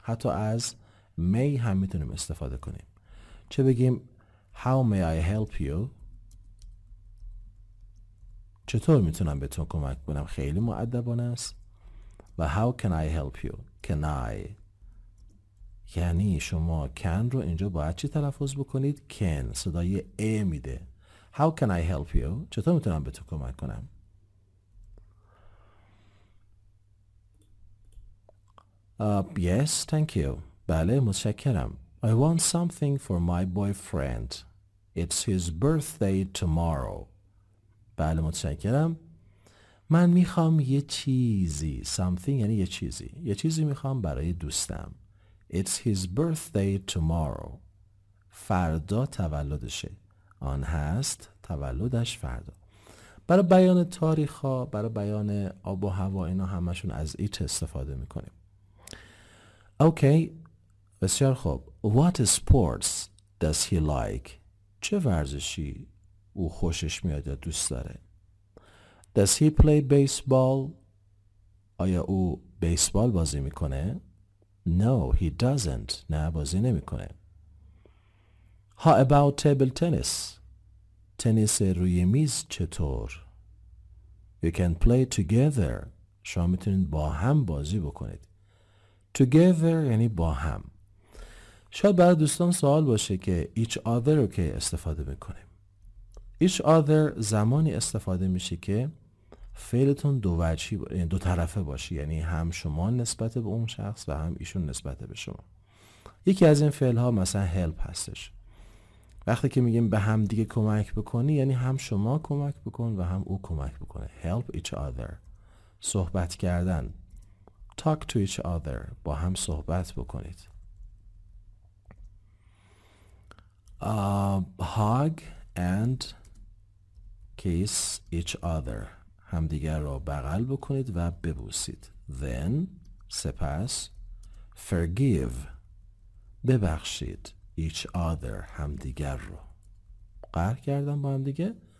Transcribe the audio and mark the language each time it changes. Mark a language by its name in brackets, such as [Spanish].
[Persian] حتی از may هم میتونیم استفاده کنیم. چه بگیم [English] How may I help you؟ [Persian] چطور میتونم بهتون کمک کنم؟ خیلی مؤدبانه است. و [English] How can I help you؟ Can I؟ [Persian] یعنی شما can رو اینجا باید چی تلفظ بکنید؟ can صدای ا میده. [English] How can I help you؟ [Persian] چطور میتونم به تو کمک کنم؟ [English] Yes, thank you. [Persian] بله متشکرم. [English] I want something for my boyfriend. It's his birthday tomorrow. [Persian] بله متشکرم. من میخوام یه چیزی. Something یعنی یه چیزی. یه چیزی میخوام برای دوستم. [English] It's his birthday tomorrow. [Persian] فردا تولدشه. آن هست تولدش فردا. برای بیان تاریخ ها، برای بیان آب و هوا اینا همشون از it استفاده میکنیم. Okay, بسیار خوب. [English] What sports does he like? [Persian] چه ورزشی او خوشش میاد یا دوست داره؟ [English] Does he play baseball? [Persian] آیا او بیسبال بازی میکنه؟ [English] No, he doesn't. [Persian] نه بازی نمیکنه. [English] How about table tennis? [Persian] تنیس روی میز چطور؟ [English] You can play together. [Persian] شما میتونید با هم بازی بکنید. Together یعنی با هم. شاید برای دوستان سوال باشه که each other رو که استفاده میکنیم. Each other زمانی استفاده میشه که فعلتون دو طرفه باشه، یعنی هم شما نسبت به اون شخص و هم ایشون نسبت به شما. یکی از این فعل ها مثلا help هستش. وقتی که میگیم به هم دیگه کمک بکنی، یعنی هم شما کمک بکن و هم او کمک بکنه. [English] Help each other، [Persian] صحبت کردن. [English] Talk to each other، [Persian] با هم صحبت بکنید. [English] Hug and kiss each other، [Persian] همدیگر را بغل بکنید و ببوسید. Then سپس forgive، ببخشید each other، همدیگر را قهر کردن با همدیگه.